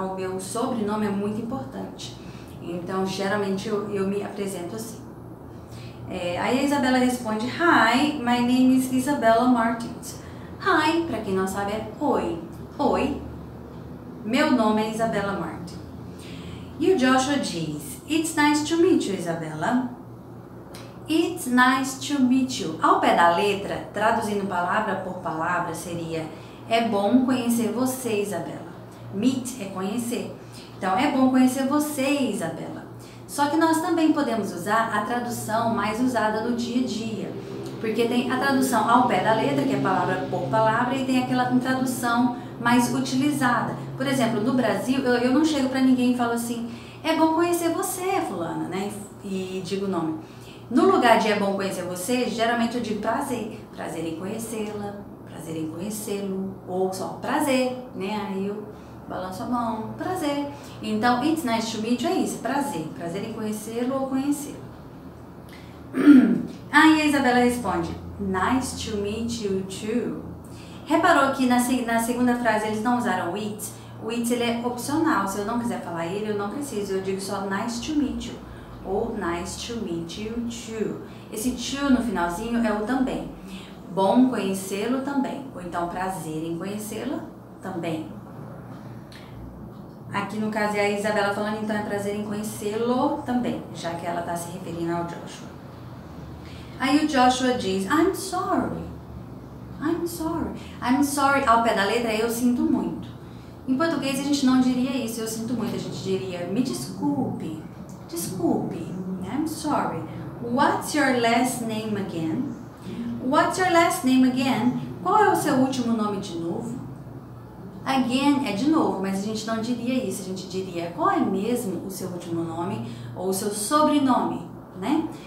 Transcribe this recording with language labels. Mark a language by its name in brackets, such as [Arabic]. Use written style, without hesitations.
[Portuguese] O meu sobrenome é muito importante. Então, geralmente, eu me apresento assim. Aí a Isabella responde, [English] Hi, my name is Isabella Martins. [Portuguese] Hi, pra quem não sabe, é oi. Oi, meu nome é Isabella Martins. E o Joshua diz, [English] It's nice to meet you, Isabella. It's nice to meet you. [Portuguese] Ao pé da letra, traduzindo palavra por palavra, seria É bom conhecer você, Isabella. Meet é conhecer. Então, é bom conhecer você, Isabella. Só que nós também podemos usar a tradução mais usada no dia a dia. porque tem a tradução ao pé da letra, que é palavra por palavra, e tem aquela tradução mais utilizada. Por exemplo, no Brasil, eu não chego para ninguém e falo assim, é bom conhecer você, fulana, né? E digo o nome. No lugar de é bom conhecer você, geralmente eu digo prazer. Prazer em conhecê-la, prazer em conhecê-lo, ou só prazer, né? Aí eu balanço a mão, prazer. Então, [English] it's nice to meet you [Portuguese] é isso, prazer. Prazer em conhecê-lo ou conhecê-lo. Aí a Isabela responde, [English] nice to meet you too. [Portuguese] Reparou que na segunda frase eles não usaram it? O it ele é opcional, se eu não quiser falar ele, eu não preciso, eu digo só [English] nice to meet you. [Portuguese] Ou [English] nice to meet you too. [Portuguese] Esse to no finalzinho é o também. Bom conhecê-lo também. Ou então prazer em conhecê-la também. Aqui no caso é a Isabela falando, então é prazer em conhecê-lo também, já que ela está se referindo ao Joshua. Aí o Joshua diz, [English] I'm sorry. I'm sorry. I'm sorry [Portuguese] ao pé da letra, eu sinto muito. Em português a gente não diria isso, eu sinto muito. A gente diria, me desculpe. [English] Desculpe, I'm sorry. What's your last name again? What's your last name again? [Portuguese] Qual é o seu último nome de novo? Again é de novo, mas a gente não diria isso. A gente diria qual é mesmo o seu último nome ou o seu sobrenome, né?